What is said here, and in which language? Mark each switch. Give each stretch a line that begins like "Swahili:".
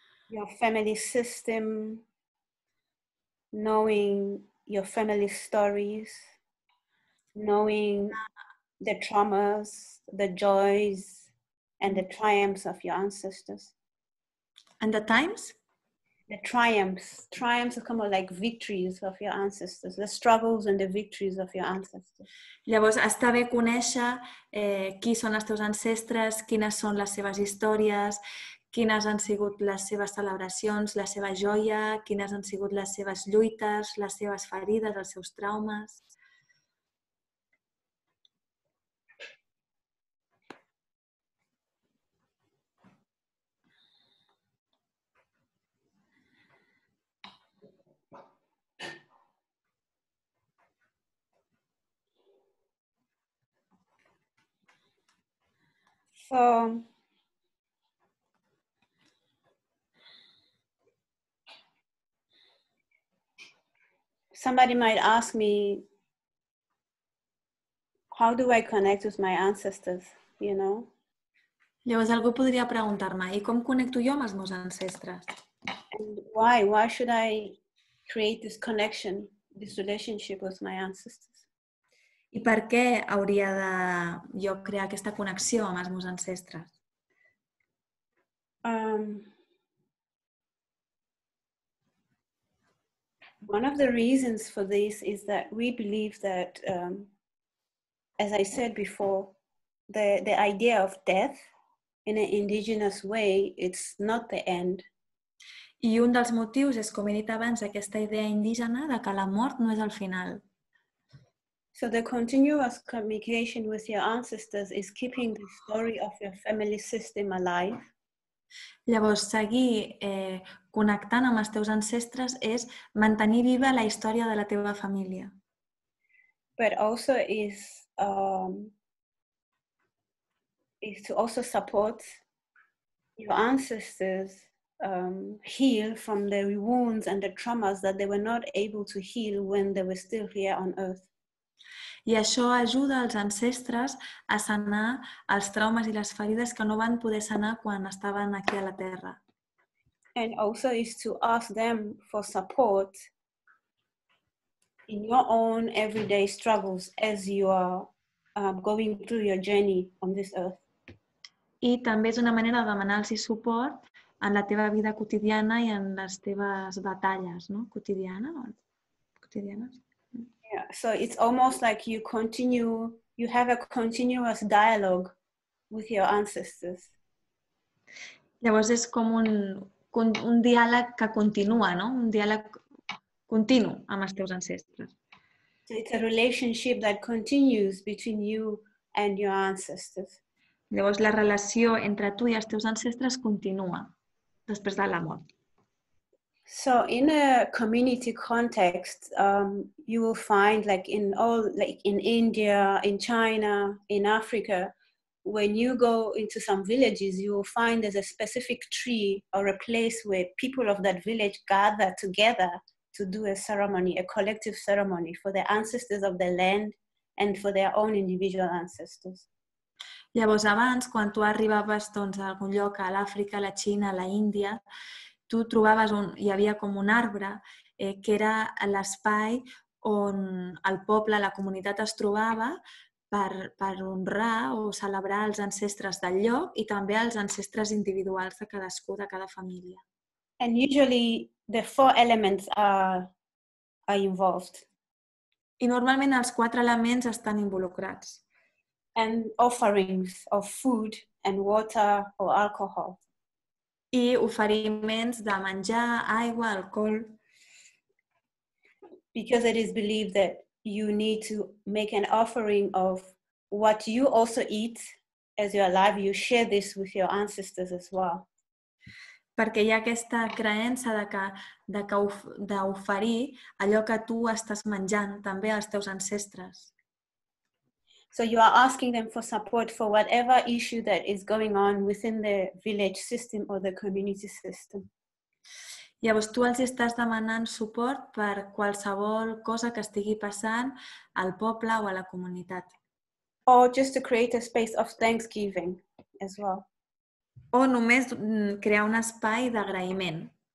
English: Your family system, knowing your family stories, knowing the traumas, the joys, and the triumphs of your ancestors. And the times? The triumphs. Triumphs are kind of like victories of your ancestors. The struggles and the victories of your ancestors.
Catalan: Llavors, està bé conèixer qui són els teus ancestres, quines són les seves històries, quines han sigut les seves celebracions, la seva joia, quines han sigut les seves lluites, les seves ferides, els seus traumes.
English: So, somebody might ask me, how do I connect with my ancestors, you know?
Catalan: Llavors algú podria preguntar-me, i com connecto jo amb els meus ancestres?
English: And why should I create this connection, this relationship with my ancestors?
Catalan: I per què hauria de jo crear aquesta connexió amb els meus ancestres?
English: One of the reasons for this is that we believe that, as I said before, the idea of death in an indigenous way, it's not the end.
Catalan: I un dels motius és, com he dit abans, aquesta idea indígena de que la mort no és el final.
English: So the continuous communication with your ancestors is keeping the story of your family system alive.
Catalan: Llavors, seguir connectant amb els teus ancestres és mantenir viva la història de la teva família.
English: But also is to also support your ancestors heal from the wounds and the traumas that they were not able to heal when they were still here on earth.
Catalan: I això ajuda els ancestres a sanar els traumes i les ferides que no van poder sanar quan estaven aquí a la Terra.
English: And also is to ask them for support in your own everyday struggles as you are going through your journey on this earth.
Catalan: I també és una manera de demanar-los suport en la teva vida quotidiana i en les teves batalles, no? Quotidiana o quotidianes.
English: Yeah, so it's almost like you have a continuous dialogue with your ancestors.
Catalan: Llavors és com un diàleg que continua, no? Un diàleg continu amb els teus ancestres.
English: So it's a relationship that continues between you and your ancestors.
Catalan: Llavors la relació entre tu i els teus ancestres continua després de la mort.
English: So in a community context, you will find in India, in China, in Africa, when you go into some villages, you will find there's a specific tree or a place where people of that village gather together to do a ceremony, a collective ceremony for the ancestors of the land and for their own individual ancestors.
Catalan: Llavors, abans, quan tu arribaves doncs, a algun lloc, a l'Àfrica, a la Xina, a la Índia, tu trobaves on hi havia com un arbre que era l'espai on el poble, la comunitat es trobava per honrar o celebrar els ancestres del lloc i també els ancestres individuals de cadascú, de cada família.
English: And usually the four elements are involved.
Catalan: I normalment els quatre elements estan involucrats.
English: And offerings of food and water or alcohol.
Catalan: I oferiments de menjar, aigua, alcohol.
English: Because it is believed that you need to make an offering of what you also eat as you're alive. You share this with your ancestors as well.
Catalan: Perquè hi ha aquesta creença de que d'oferir allò que tu estàs menjant també als teus ancestres.
English: So you are asking them for support for whatever issue that is going on within the village system or the community system.
Catalan: Llavors tu els estàs demanant suport per qualsevol cosa que estigui passant al poble o a la comunitat.
English: Or just to create a space of thanksgiving as well.
Catalan: O només crear un espai d'agraïment.